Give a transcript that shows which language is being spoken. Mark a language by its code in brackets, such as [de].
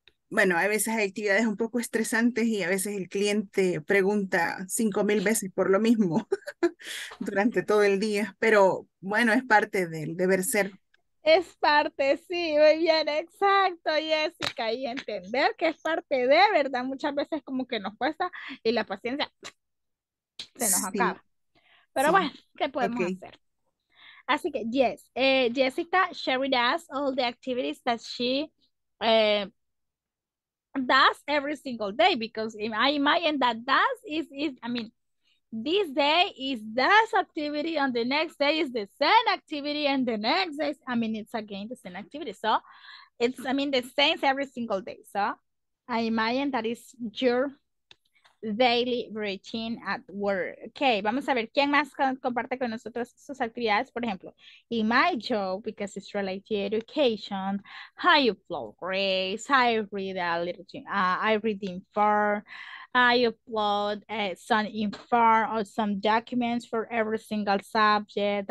[es] Bueno, a veces hay actividades un poco estresantes y a veces el cliente pregunta 5,000 veces por lo mismo durante todo el día. Pero bueno, es parte del deber ser. Es parte, sí, muy bien, exacto, Jessica, y entender que es parte de, ¿verdad? Muchas veces como que nos cuesta y la paciencia se nos acaba. Pero sí. Bueno, ¿qué podemos hacer? [en] Así que, yes, Jessica shared with us all the activities that she does every single day, because I imagine that does is, I mean, this day is this activity, and the next day is the same activity, and the next day, is, I mean, it's again the same activity. So it's, I mean, the same every single day. So I imagine that is your daily routine at work. [es] Okay, vamos a ver quién más comparte con nosotros sus actividades. Por ejemplo, [en] in my job, because it's related to education, I upload grades, I read a little thing, I read the infer, I upload some infer or some documents for every single subject.